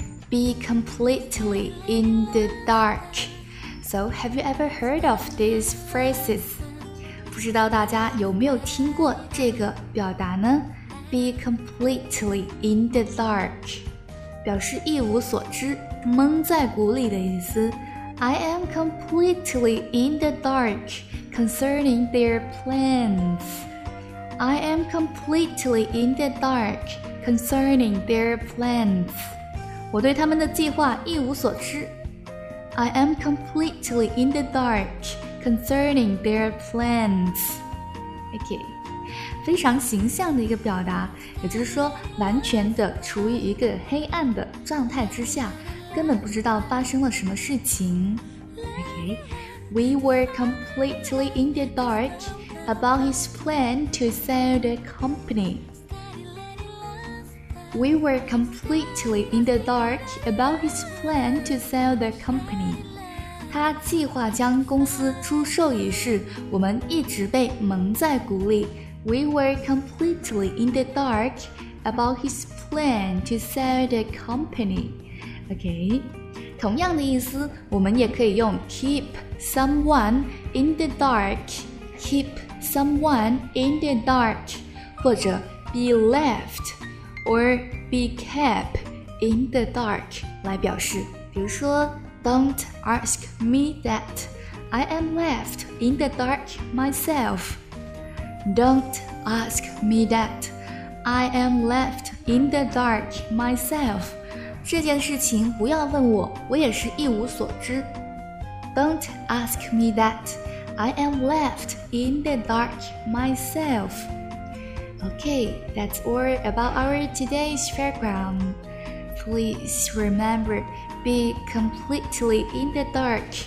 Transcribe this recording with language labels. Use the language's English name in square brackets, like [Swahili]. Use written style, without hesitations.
[English] Be completely in the dark. So, have you ever heard of these phrases? [Chinese] 不知道大家有没有听过这个表达呢？ [English] Be completely in the dark. [Chinese] 表示一无所知，蒙在鼓里的意思。 [English] I am completely in the dark concerning their plans. I am completely in the dark concerning their plans. [Chinese] 我对他们的计划一无所知。 [English] I am completely in the dark concerning their plans. [Chinese] OK, 非常形象的一个表达，也就是说完全的处于一个黑暗的状态之下，根本不知道发生了什么事情。 [English] OK, we were completely in the dark about his plan to sell the company. We were completely in the dark about his plan to sell the company. [Chinese] 他计划将公司出售一事，我们一直被蒙在鼓里。 [English] We were completely in the dark about his plan to sell the company. Okay. [Chinese] 同样的意思，我们也可以用 [English] keep someone in the dark, keep someone in the dark, [Chinese] 或者 [English] be left. Or be kept in the dark [Chinese] 来表示，比如说 [English] Don't ask me that I am left in the dark myself. Don't ask me that I am left in the dark myself. [Chinese] 这件事情不要问我，我也是一无所知。 [English] Don't ask me that I am left in the dark myselfOkay, that's all about our today's fairground. Please remember, be completely in the dark.